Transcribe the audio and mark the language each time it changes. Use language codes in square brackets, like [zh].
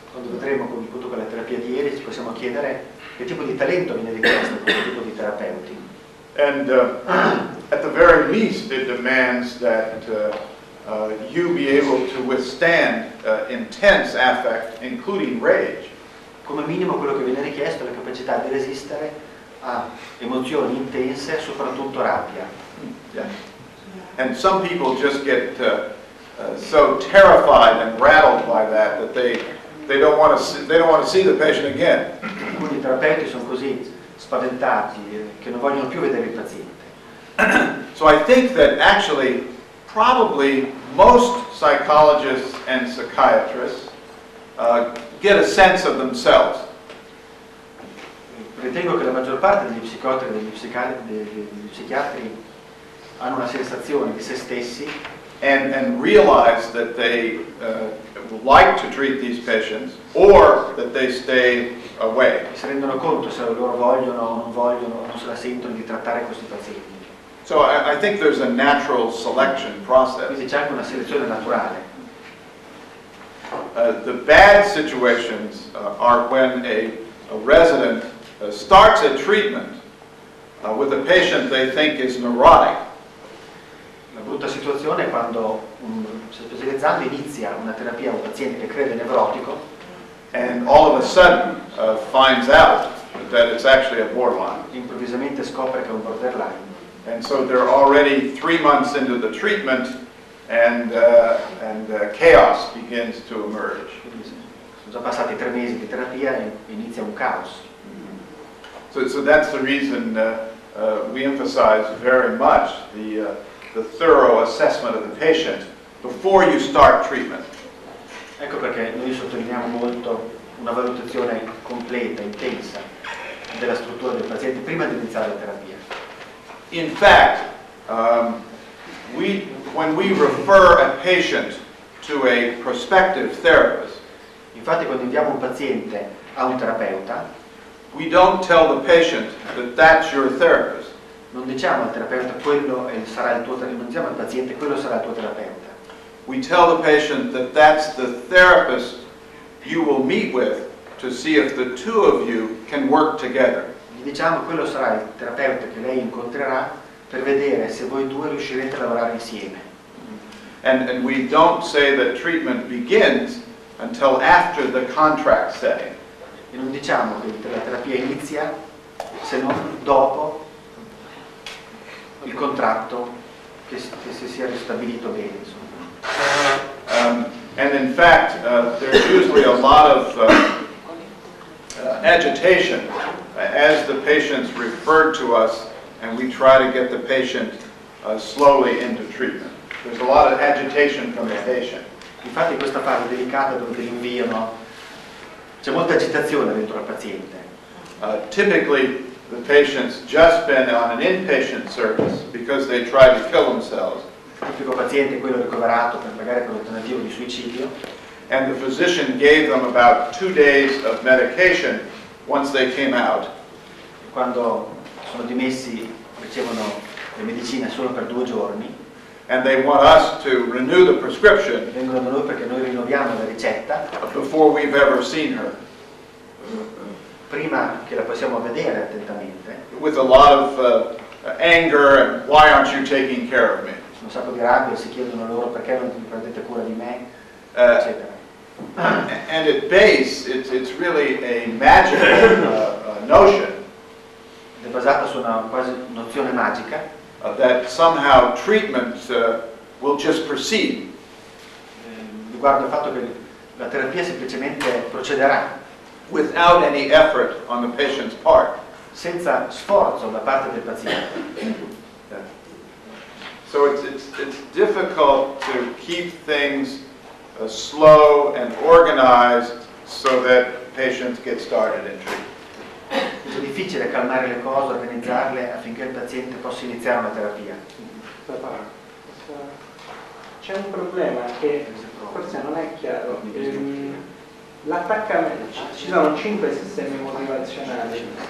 [it] Quando vedremo appunto con la terapia di ieri ci possiamo chiedere che tipo di talento viene richiesto da questo tipo di terapeuti. [en] And at the very least it demands that you be able to withstand intense affect, including rage. [it] Come minimo quello che viene richiesto è la capacità di resistere a emozioni intense, soprattutto rabbia. [en] Yeah. And some people just get so terrified and rattled by that they don't want to see the patient again. [it] Alcuni terapeuti sono così spaventati che non vogliono più vedere il paziente. [en] So I think that actually probably most psychologists and psychiatrists get a sense of themselves. [it] Ritengo che la maggior parte degli psicotici e degli psichiatri hanno una sensazione di se stessi [en] and realize that they like to treat these patients or that they stay away. [it] Si rendono conto se loro vogliono o non vogliono, non se la sentono di trattare questi pazienti. [en] So I think there's a natural selection process. [it] Quindi c'è anche una selezione naturale. [en] the bad situations are when a resident starts a treatment with a patient they think is neurotic. [it] La brutta situazione è quando un specializzando inizia una terapia a un paziente che crede nevrotico. [en] And all of a sudden finds out that it's actually a borderline. [it] Improvvisamente scopre che è un borderline. [en] And so they're already 3 months into the treatment, and chaos begins to emerge. [it] Sono già passati 3 mesi di terapia e inizia un caos. [en] So that's the reason we emphasize very much the thorough assessment of the patient before you start treatment. [it] Ecco perché noi sottolineiamo molto una valutazione completa, intensa, della struttura del paziente prima di iniziare la terapia. [en] In fact, when we refer a patient to a prospective therapist, [it] infatti quando inviamo un paziente a un terapeuta, [en] we don't tell the patient that that's your therapist. [it] Non diciamo al terapeuta quello sarà il tuo terapeuta, non diciamo al paziente quello sarà il tuo terapeuta. [en] We tell the patient that that's the therapist you will meet with to see if the two of you can work together. [it] Gli diciamo quello sarà il terapeuta che lei incontrerà per vedere se voi due riuscirete a lavorare insieme. [en] And we don't say that treatment begins until after the contract setting. [it] E non diciamo che la terapia inizia se non dopo il contratto che si sia ristabilito bene, insomma. [en] And in fact, there's usually a lot of agitation as the patients referred to us, and we try to get the patient slowly into treatment. There's a lot of agitation from the patient. [it] Infatti, questa parte delicata dove inviano, c'è molta agitazione dentro al paziente. [en] Typically, the patient's just been on an inpatient service because they tried to kill themselves. [it] Il tipico paziente è quello ricoverato per magari per un tentativo di suicidio. [en] And the physician gave them about 2 days of medication once they came out. [it] E quando sono dimessi ricevono le medicine solo per 2 giorni. [en] And they want us to renew the prescription. [it] Vengono da noi perché noi rinnoviamo la ricetta. [en] Before we've ever seen her. [it] Prima che la possiamo vedere attentamente. [en] With a lot of anger, and why aren't you taking care of me? [it] Un sacco di rabbia, si chiedono loro perché non ti prendete cura di me, eccetera. [en] And at base, it's really a magical notion. [it] È basata su una quasi nozione magica. [en] That somehow treatment will just proceed. [it] Riguardo al fatto che la terapia semplicemente procederà. [en] Without any effort on the patient's part. [it] Senza sforzo da parte del paziente. [en] So it's difficult to keep things slow and organized so that patients get started in treatment. [it] È difficile calmare le cose, organizzarle affinché il paziente possa iniziare una terapia. C'è un problema che forse non è chiaro. L'attaccamento, ci sono 5 sistemi motivazionali.